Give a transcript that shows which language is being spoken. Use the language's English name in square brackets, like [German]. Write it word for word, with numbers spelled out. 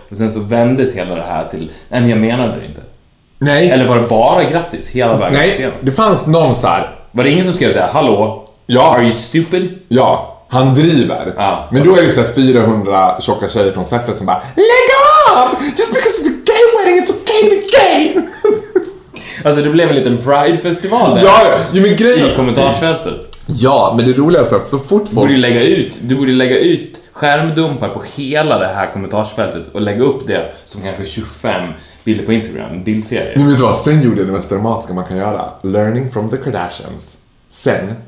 [Swedish] Och sen så vändes hela det här till, nej jag menade det inte. Nej. Eller var det bara grattis hela vägen? Nej, det fanns någon så här. Var det ingen som skrev så här, hallå, ja. [English] Are you stupid? [Swedish] Ja, han driver. Ah, men då är det så här fyrahundra tjocka tjejer från Säffle som bara, lägg av! [English] Just because it's a gay wedding, it's okay to be gay! [Swedish] Alltså det blev en liten Pride-festival där. Ja, ju men grejen. I kommentarsfältet. Ja, men det roliga är att så fort du borde lägga ut, du borde lägga ut skärmdumpar på hela det här kommentarsfältet och lägga upp det som kanske tjugofem bilder på Instagram, bildserie. Nej men då, sen gjorde jag det mest dramatiska man kan göra. [English] Learning from the Kardashians. Sen